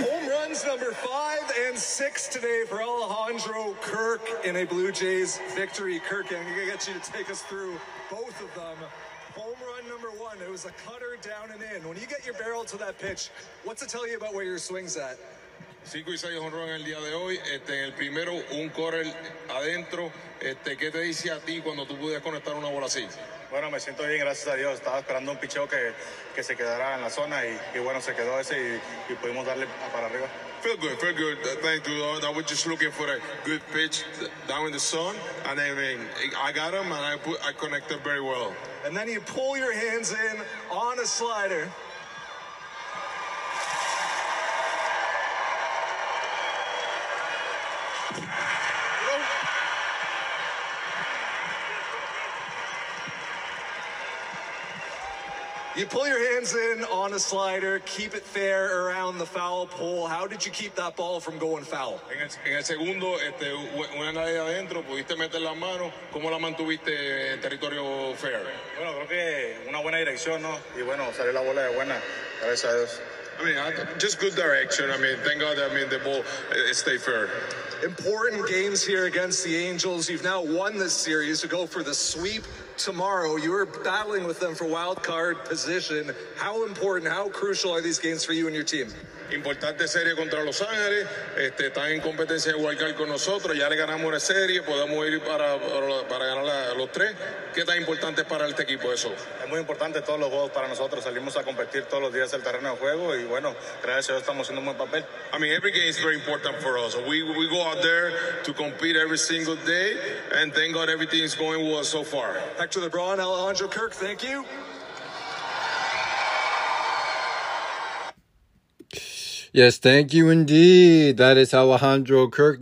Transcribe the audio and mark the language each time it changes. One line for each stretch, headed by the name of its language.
English: Home runs number 5 and 6 today for Alejandro Kirk in a Blue Jays victory. Kirk, I'm going to get you to take us through both of them. Home run number 1, it was a cutter down and in. When you get your barrel to that pitch, what's it tell you about where your swing's at?
Spanish: 5 y 6 home run el día de hoy. En el primero, un correr adentro. ¿Qué te dice a ti cuando tú pudieras conectar una bola así? Bueno, me siento bien, gracias a Dios. Estaba esperando un picheo que se quedara en la zona y bueno, se quedó ese y pudimos darle para arriba.
English: Feel good. Thank you, Lord. I was just looking for a good pitch down in the sun. And I mean, I got him and I connected very well. And then you pull your hands in on a slider. You pull your hands in on a slider, keep it fair around the foul pole. How did you keep that ball from going foul?
Spanish: En el segundo, una nariz adentro, pudiste meter las manos. ¿Cómo la mantuviste en territorio fair? Bueno, creo que una buena dirección, ¿no? Y bueno, salió la bola de buena. Gracias a Dios.
English: I mean, just good direction. I mean, thank God, I mean, the ball stay fair. Important games here against the Angels. You've now won this series to go for the sweep tomorrow. You were battling with them for wild card position. How important, how crucial are these games for you and your team?
Spanish: Importante serie contra Los Ángeles. Están en competencia de wild card con nosotros. Ya le ganamos una serie. Podemos ir para ganar los tres. ¿Qué tan importante para este equipo eso? Es muy importante todos los juegos para nosotros. Salimos a competir todos los días del terreno de juego. Y bueno, gracias a Dios estamos haciendo un buen papel.
English: I mean, every game is very important for us. We go out there to compete every single day. And thank God everything is going well so far. Hector LeBron, Alejandro Kirk, thank you. Yes, thank you indeed. That is Alejandro Kirk.